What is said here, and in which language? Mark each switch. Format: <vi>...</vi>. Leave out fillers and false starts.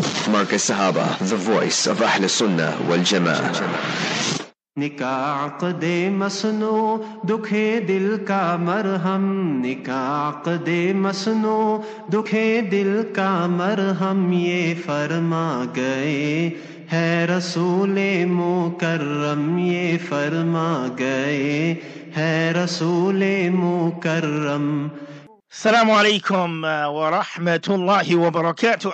<ar>مارك الصحابة</ar> <en>The Voice of</en> <ar>أهل السنة والجماعة.</ar> <ur>نکاح عقد مسنو دکھے دل کا مرہم نکاح عقد مسنو دکھے دل کا مرہم یہ فرما گئے ہے رسول مکرم یہ فرما گئے ہے رسول مکرم.</ur> <ar>السلام عليكم ورحمة الله وبركاته.</ar>